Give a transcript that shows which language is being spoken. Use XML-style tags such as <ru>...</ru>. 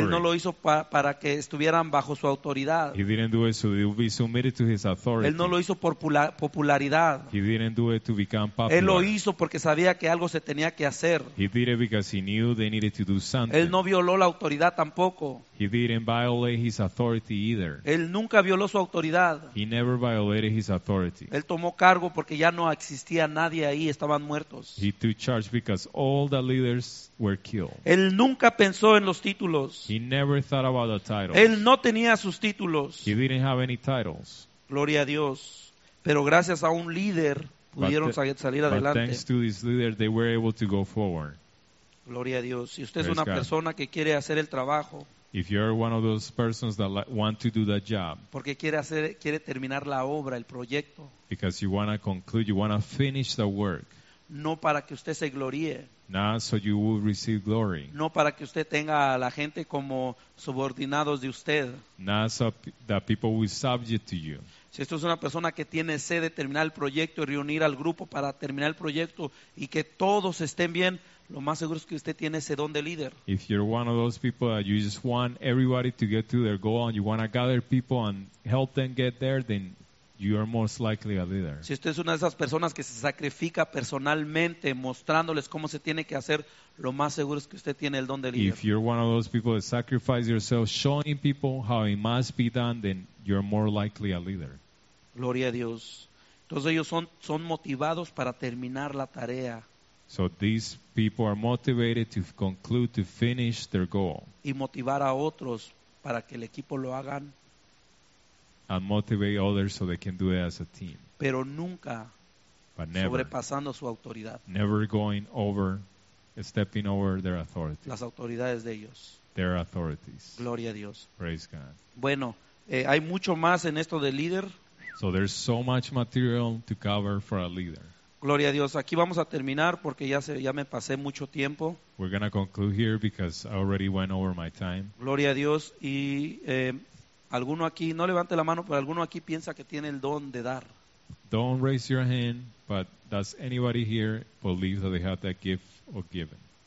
<es>Él no lo hizo para que estuvieran bajo su autoridad.</es> <en>He didn't do it so he would be submitted to his authority.</en> <es>Él no lo hizo por popularidad.</es> <en>He didn't do it to become popular.</en> <es>Él lo hizo porque sabía que algo se tenía que hacer.</es> <en>He did it because he knew they needed to do something.</en> <es>Él no violó la autoridad tampoco.</es> <en>He didn't violate his authority either.</en> <es>Él nunca violó su autoridad.</es> <en>He never violated his authority.</en> <es>Él tomó cargo porque ya no existía nadie ahí, estaban muertos.</es> <en>He took charge because all the leaders were killed.</en> <es>Él nunca pensó en los títulos.</es> <en>He never thought about the titles.</en> <es>Él no tenía sus títulos.</es> <en>He didn't have any titles.</en> <es>Gloria a Dios. Pero gracias a un líder pudieron salir adelante.</es> <en>But thanks to this leader, they were able to go forward.</en> <es>Gloria a Dios. Si usted es una persona que quiere hacer el trabajo.</es> <en>If you're one of those persons that want to do that job.</en> <es>Porque quiere terminar la obra, el proyecto.</es> <en>Because you want to conclude, you want to finish the work.</en> <es>No para que usted se gloríe.</es> <en>Not so you will receive glory.</en> <es>No para que usted tenga a la gente como subordinados de usted.</es> <en>Not so that people will subject to you.</en> <es>Si esto es una persona que tiene sed de terminar el proyecto y reunir al grupo para terminar el proyecto y que todos estén bien, lo más seguro es que usted tiene ese don de líder.</es> <en>If you're one of those people that you just want everybody to get to their goal and you want to gather people and help them get there, then you are most likely a leader.</en> <es>Si usted es una de esas personas que se sacrifica personalmente mostrándoles cómo se tiene que hacer, lo más seguro es que usted tiene el don de líder.</es> <en>If you're one of those people that sacrifice yourself showing people how it must be done, then you're more likely a leader.</en> <es>Gloria a Dios. Entonces ellos son motivados para terminar la tarea.</es> <en>So these people are motivated to conclude, to finish their goal.</en> <es>Y motivar a otros para que el equipo lo hagan.</es> <en>And motivate others so they can do it as a team.</en> <es>Pero nunca sobrepasando su autoridad.</es> <en>Never going over, stepping over their authority.</en> <es>Las autoridades de ellos.</es> <en>Their authorities.</en> <es>Gloria a Dios.</es> <en>Praise God.</en> <es>Bueno, hay mucho más en esto de líder.</es> <en>So there's so much material to cover for a leader.</en> <es>Gloria a Dios. Aquí vamos a terminar porque ya me pasé mucho tiempo.</es> <en>We're going to conclude here because I already went over my time.</en> <es>Gloria a Dios. Y alguno aquí, no levante la mano, pero alguno aquí piensa que tiene el don de dar.</es> <en>Don't raise your hand, but does anybody here believe that they have that gift of giving?</en>